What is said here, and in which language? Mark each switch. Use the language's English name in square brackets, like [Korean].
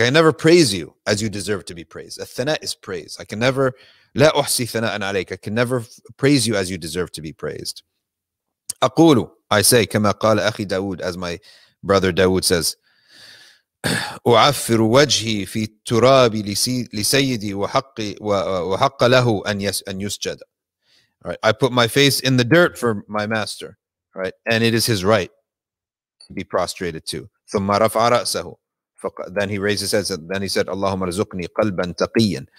[English] I never praise you as you deserve to be praised. الثناء is praise. I can never, [Arabic] لا أحصي ثناء عليك. [English] I can never praise you as you deserve to be praised. [Arabic] أقول, [English] I say, [Arabic] كما قال أخي داود, [English] as my brother Dawood says, [Arabic] أعفر وجهي في تراب لسيدي وحق له أن يسجد. [English] Right. I put my face in the dirt for my master. Right. And it is his right to be prostrated to. [Arabic] ثم رفع رأسه. [English] Then he raised his head. Then he said, [Arabic] اللهم ارزقني قلبا تقيا.